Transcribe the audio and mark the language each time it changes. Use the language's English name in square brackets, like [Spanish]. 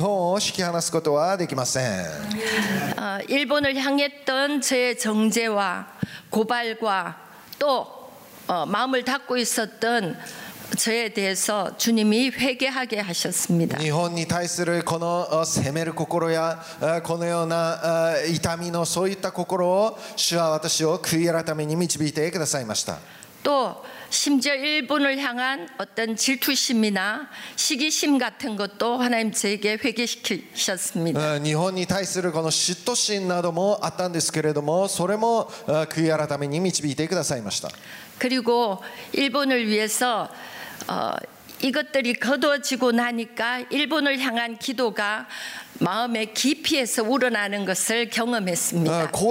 [Japanese] 私はこう確信しています。死も命も見つかりも権威あるものも今あるものも後に来るものも力あるものも高さも深さもその他のどんな被造物も私たちの主キリスト・イエスにある神の愛から日本を引き離すことはできません。 [Korean] 일본을 향했던 저의 정죄와 고발과 또 마음을 닫고 있었던 저에 대해서 주님이 회개하게 하셨습니다. [Japanese] 日本に対するこの責める心やこのような痛みのそういった心を主は私を悔い改めに導いてくださいました。 [Korean] 또 심지어 일본을 향한 어떤 질투심이나 시기심 같은 것도 하나님 제게 회개시키셨습니다. [Japanese] 日本に対するこの嫉妬心などもあったんですけれども、それも悔い改めに導いてくださいました。 [Korean] 그리고 일본을 위해서 이것들이 거두어지고 나니까 일본을 향한 기도가 마음의 깊이에서 우러나는 것을 경험했습니다.